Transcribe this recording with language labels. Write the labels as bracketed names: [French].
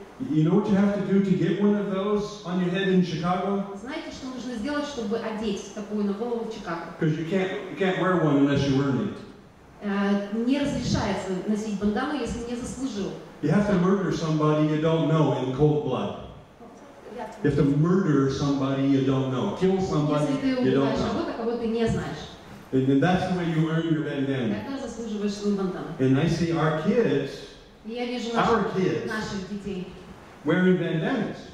[English] You know what you have to do to get one of those on your head in Chicago? Because you can't wear one unless you earn it. [Russian] Не разрешается носить бандану, если не заслужил. [English] You have to murder somebody you don't know in cold blood. You have to murder somebody you don't know. Kill somebody you don't know. And then that's the way you earn your bandana. And I see our kids, our kids, wearing bandanas.